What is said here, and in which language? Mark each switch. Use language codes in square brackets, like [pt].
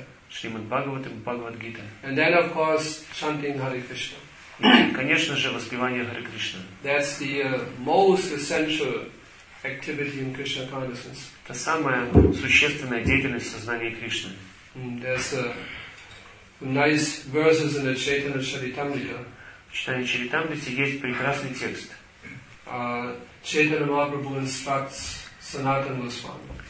[ru] Шримад Бхагаватам, Бхагавад Гита. [en] And then, of course, chanting Hare Krishna. [ru] Конечно же, воспевание Харе Кришна. [en] That's the most essential activity in Krishna consciousness. [ru] Это самая существенная деятельность сознания Кришны. [en] There's nice verses in the Chaitanya Charitamrita. [ru] В Чайтанья Чаритамрите есть прекрасный текст. [en] Chaitanya Mahaprabhu instructs Sanatana Goswami.